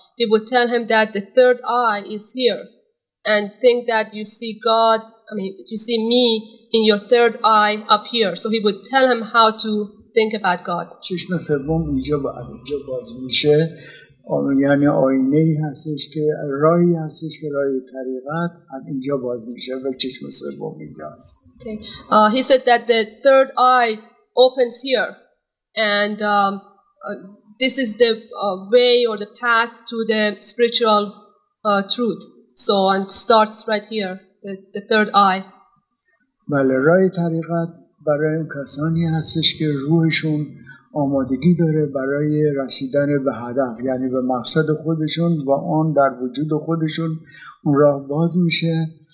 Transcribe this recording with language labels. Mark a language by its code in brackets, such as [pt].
[en] He would tell him that the third eye is here and think that you see God, I mean, you see me in your third eye up here. So he would tell him how to think about God. [fa] چشم سوم اینجا باز میشه. یعنی آینه ای هستش که راهی هستش که راهی طریقت از اینجا باز میشه و چشم سوم اینجا هست. [en] Okay. He said that the third eye opens here, and this is the way or the path to the spiritual truth. So, and starts right here, the third eye. [fa] بله، رای طریقت برای اون کسانی هستش که روحشون آمادگی داره برای رسیدن به هدف، یعنی به مقصد خودشون و آن در وجود خودشون اون راه باز میشه.